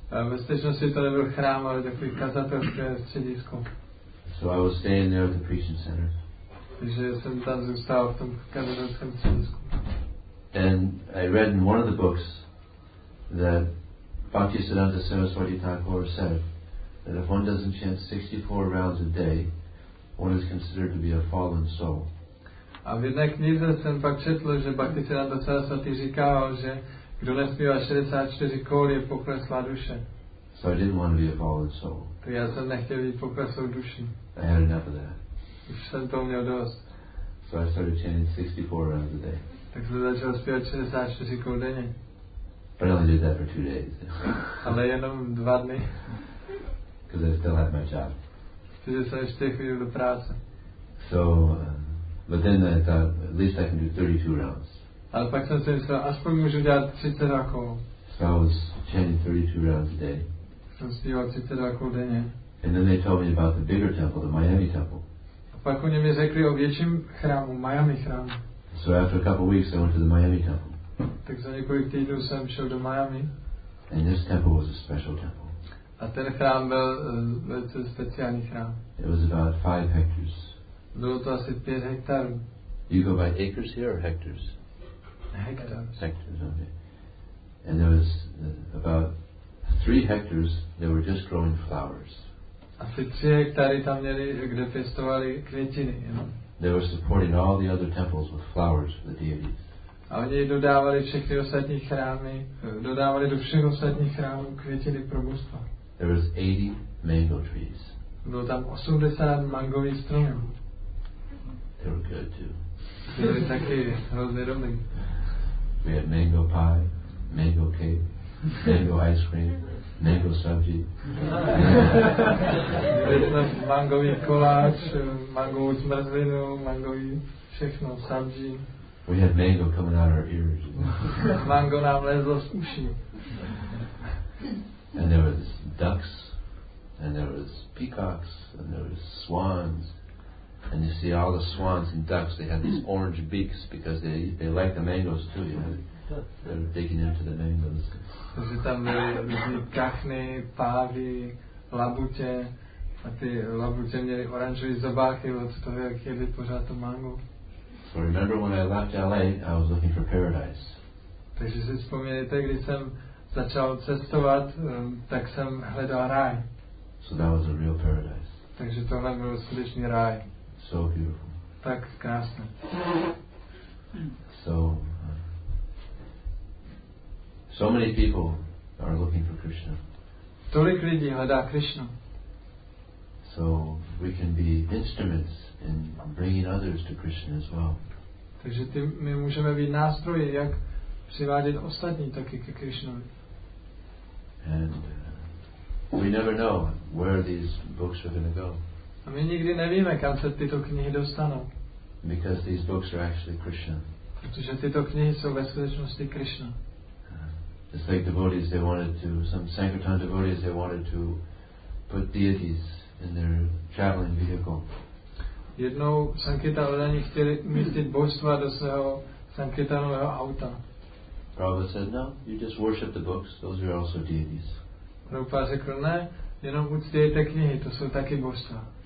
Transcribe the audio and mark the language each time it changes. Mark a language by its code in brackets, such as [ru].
[cs] Ve skutečnosti to nebyl chrám, ale takový kazatelské středisko. [en] So I was staying there at the preaching center. [cs] Takže jsem tam zůstal v tom kazatelském středisku. [en] And I read in one of the books that Bhaktisiddhanta Saraswati Thakur said that if one doesn't chant 64 rounds a day, one is considered to be a fallen soul. [cs] A v jedné knize jsem pak četl, že Bhaktisiddhanta Saraswati říkal, že kdo nespívá 64 kol, je pokleslá duše. [en] So I didn't want to be a fallen soul. [cs] To já jsem nechtěl být pokleslou duši. [en] I had enough of that. [cs] Už jsem toho měl dost. [en] So I started chanting 64 rounds a day. [cs] Tak jsem začal zpívat 64 kol denně. [en] But I only did that for 2 days. [cs] Ale jenom 2 dny. [en] Because I still had my job. [cs] Protože jsem ještě chodil do práce. [en] So, but then I thought, at least I can do 32 rounds. [cs] Ale pak jsem si myslel, aspoň můžu dělat 32 kol. [en] So I was chanting 32 rounds a day. [cs] Jsem zpíval 32 kol denně. [en] And then they told me about the bigger temple, the Miami temple. [cs] A pak oni mi řekli o větším chrámu, Miami chrámu. [en] So after a couple of weeks I went to the Miami temple. [cs] Tak za několik týdnů jsem šel do Miami. [en] And this temple was a special temple. [cs] A ten chrám byl velice speciální chrám. [en] It was about 5 hectares. [cs] Bylo to asi 5 hektarů. [en] You go by acres here or hectares? Hectares. Hectares, okay. And there was about 3 hectares that were just growing flowers. [cs] Asi 3 hektary tam měli, kde pěstovali květiny. [en] You know? They were supporting all the other temples with flowers for the deities. [cs] A oni dodávali všechny ostatní chrámy, dodávali do všech ostatních chrámů květiny pro božstva. [en] There was 80 mango trees. [cs] Bylo tam 80 mangových stromů. [en] They were good too. [cs] Byly taky hrozně dobrý. [en] We had mango pie, mango cake, mango ice cream, mango sabji. [cs] Byli jsme mangový koláč, mangovou zmrzlinu, mangový všechno, sabji. [en] We had mango coming out of our ears. [cs] Mango nám lezlo z uší. [en] And there was ducks, and there was peacocks, and there was swans. And you see all the swans and ducks, they had these orange beaks because they like the mangoes too, you know. They're digging into the mangoes. [cs] Takže tam byly kachny, pávy, labutě. A ty labutě měly oranžový zobáky od toho, jak jeli pořád to mango. [en] So remember when I left LA, I was looking for paradise. [cs] Takže si vzpomínejte, když jsem začal cestovat, tak jsem hledal ráj. [en] So that was a real paradise. [cs] Takže tohle byl skutečný ráj. [en] So beautiful. [cs] Tak krásné. [en] So So many people are looking for Krishna. [cs] Tolik lidí hledá Krishnu. [en] So we can be instruments in bringing others to Krishna as well. [cs] Takže my můžeme být nástroji, jak přivádět ostatní taky ke Krishnovi. [en] And we never know where these books are going to go. [cs] A my nikdy nevíme, kam se tyto knihy dostanou. [en] Because these books are actually Krishna. [cs] Protože tyto knihy jsou ve skutečnosti Krishna. [en] It's like devotees, they wanted to, some Sankirtan devotees, they wanted to put deities in their traveling vehicle. [cs] Jednou Sankirtan vedení chtěli umístit božstva do svého Sankirtanového auta. [en] Prabhupada said, no, you just worship the books, those are also deities. [cs] Prabhupada řekl, ne, jenom uctějte knihy, to jsou taky božstva.